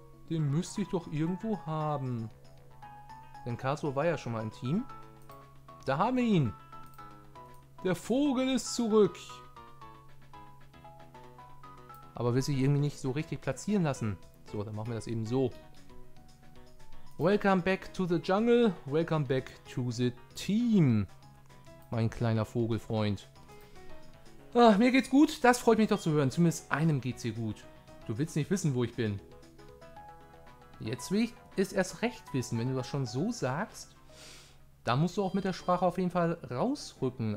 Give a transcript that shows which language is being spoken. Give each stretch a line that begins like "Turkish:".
German: Den müsste ich doch irgendwo haben. Denn Kasua war ja schon mal im Team. Da haben wir ihn. Der Vogel ist zurück. Aber will sich irgendwie nicht so richtig platzieren lassen. So, dann machen wir das eben so.
English: Welcome back to the jungle. Welcome back to the team.
German: Mein kleiner Vogelfreund. Ah, mir geht's gut. Das freut mich doch zu hören. Zumindest einem geht's hier gut. Du willst nicht wissen, wo ich bin. Jetzt will ich es erst recht wissen. Wenn du das schon so sagst, dann musst du auch mit der Sprache auf jeden Fall rausrücken.